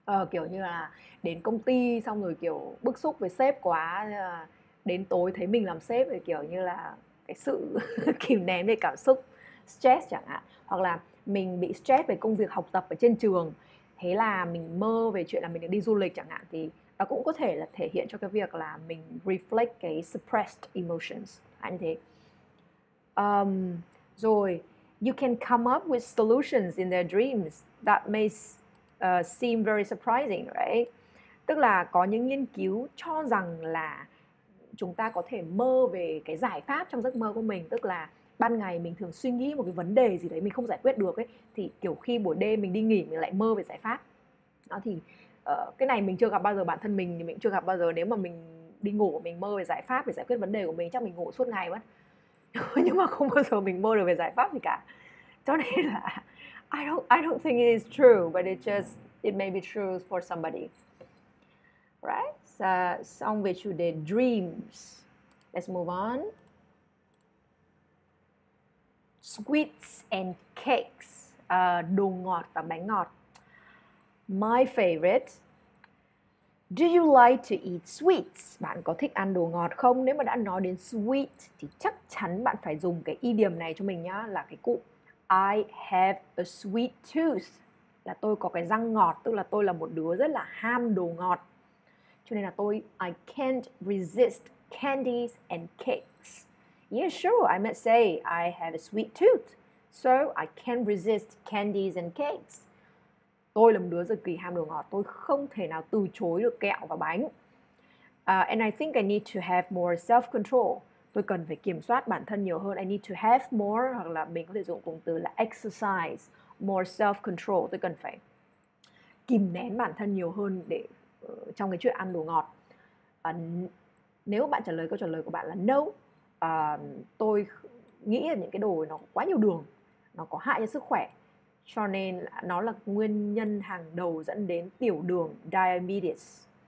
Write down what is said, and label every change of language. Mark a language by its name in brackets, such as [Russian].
[Vietnamese] Kiểu như là đến công ty xong rồi kiểu bức xúc với sếp quá, đến tối thấy mình làm sếp thì kiểu như là cái sự kìm nén về cảm xúc stress chẳng hạn, hoặc là mình bị stress về công việc học tập ở trên trường, thế là mình mơ về chuyện là mình được đi du lịch chẳng hạn, thì nó cũng có thể là thể hiện cho cái việc là mình reflect cái suppressed emotions à, như thế. Rồi [English] you can come up with solutions in their dreams that may seem very surprising, right? [Vietnamese] Tức là có những nghiên cứu cho rằng là chúng ta có thể mơ về cái giải pháp trong giấc mơ của mình, tức là ban ngày mình thường suy nghĩ một cái vấn đề gì đấy mình không giải quyết được ấy, thì kiểu khi buổi đêm mình đi nghỉ mình lại mơ về giải pháp. Đó thì cái này mình chưa gặp bao giờ, bản thân mình thì mình chưa gặp bao giờ, nếu mà mình đi ngủ mình mơ về giải pháp để giải quyết vấn đề của mình chắc mình ngủ suốt ngày mất. Nhưng mà không bao giờ mình mơ được về giải pháp gì cả. Cho nên là [English] I don't think it is true, but it may be true for somebody. Right? [Vietnamese] Xong về chủ đề [English] dreams. Let's move on. Sweets and cakes. [Vietnamese] Đồ ngọt và bánh ngọt. [English] My favorite. Do you like to eat sweets? [Vietnamese] Bạn có thích ăn đồ ngọt không? Nếu mà đã nói đến sweet thì chắc chắn bạn phải dùng cái idiom này cho mình nhá, là cái cụm [English] I have a sweet tooth, [Vietnamese] là tôi có cái răng ngọt, tức là tôi là một đứa rất là ham đồ ngọt. Cho nên là tôi [English] I can't resist candies and cakes. Yeah, sure, I might say I have a sweet tooth, so I can't resist candies and cakes. [Vietnamese] Tôi là một đứa cực kỳ ham đồ ngọt, tôi không thể nào từ chối được kẹo và bánh. [English] And I think I need to have more self-control. [Vietnamese] Tôi cần phải kiểm soát bản thân nhiều hơn. [English] I need to have more, [Vietnamese] hoặc là mình có thể dùng cụm từ là [English] exercise more self-control. [Vietnamese] Tôi cần phải kìm nén bản thân nhiều hơn để trong cái chuyện ăn đồ ngọt. Nếu bạn trả lời câu trả lời của bạn là no, tôi nghĩ là những cái đồ nó quá nhiều đường, nó có hại cho sức khỏe, cho nên nó là nguyên nhân hàng đầu dẫn đến tiểu đường diabetes.